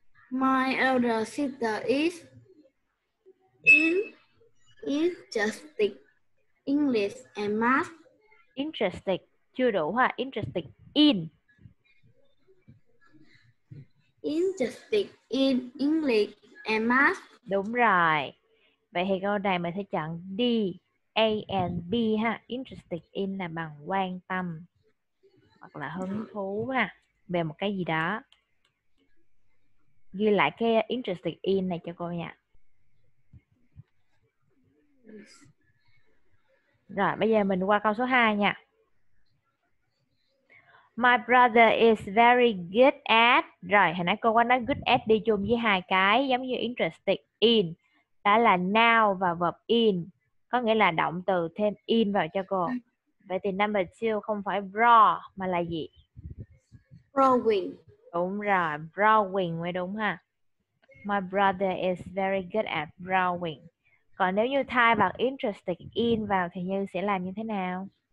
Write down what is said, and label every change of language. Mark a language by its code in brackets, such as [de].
[en] My elder sister is interesting. English and math. Interesting. [vi] Chưa đủ ha, interesting in. [en] Interesting in English and math. [vi] Đúng rồi. Vậy thì câu này mình sẽ chọn D, A and B ha. Interesting in là bằng quan tâm. hoặc là hứng thú nè về một cái gì đó. Ghi lại cái interested in này cho cô nha. Rồi bây giờ mình qua câu số 2 nha. [en] My brother is very good at. [vi] Rồi hồi nãy cô có nói good at đi chung với hai cái giống như interested in, đó là noun và verb in, có nghĩa là động từ thêm in vào cho cô. Vậy thì number 2 không phải draw mà là gì? [en] Drawing. [vi] Đúng rồi, drawing mới đúng ha. [en] My brother is very good at drawing. [vi] Còn nếu như thay bằng interested in vào thì Như sẽ làm như thế nào?